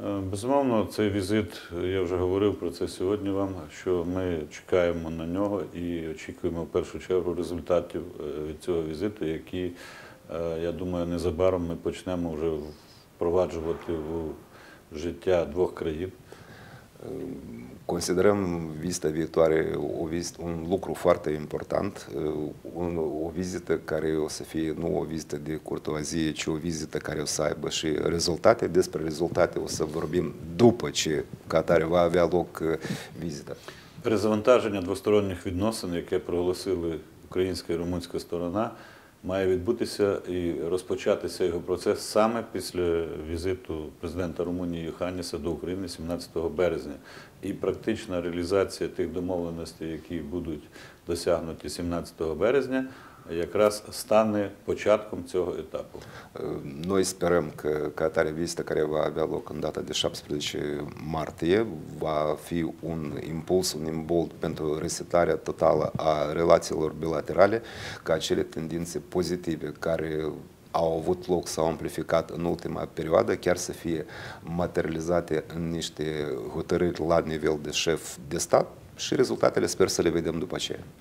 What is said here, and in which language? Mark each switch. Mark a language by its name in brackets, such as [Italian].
[Ukrainian] Безумовно, цей візит, я вже говорив про це сьогодні вам, що ми чекаємо на нього і очікуємо в першу чергу результатів від цього візиту, які, я думаю, незабаром ми почнемо вже впроваджувати в життя двох країн. [Romanian] Considerăm vizita viitoare un lucru foarte important, o vizită care o să fie nu o vizită de curtoazie, ci o vizită care o să aibă și rezultate. Despre rezultate o să vorbim după ce Qatar va avea loc vizita. [Ukrainian] Перезавантаження двосторонніх відносин, яке проголосили українська і румунська сторона, має відбутися і розпочатися його процес саме після візиту президента Румунії Йоханнеса до України 17 березня. І практична реалізація тих домовленостей, які будуть досягнуті 17 березня, якраз стане початком цього етапу. [Romanian] Noi sperăm că Qatar-ul vizită care va avea loc în data de 17 martie va fi un impuls, un imbold pentru resetarea totală a relațiilor bilaterale, ca acele tendințe pozitive care au avut loc, s-au amplificat în ultima perioadă, chiar să fie materializate în niște hotărâri la nivel de șef de stat și rezultatele sper să le vedem după aceea.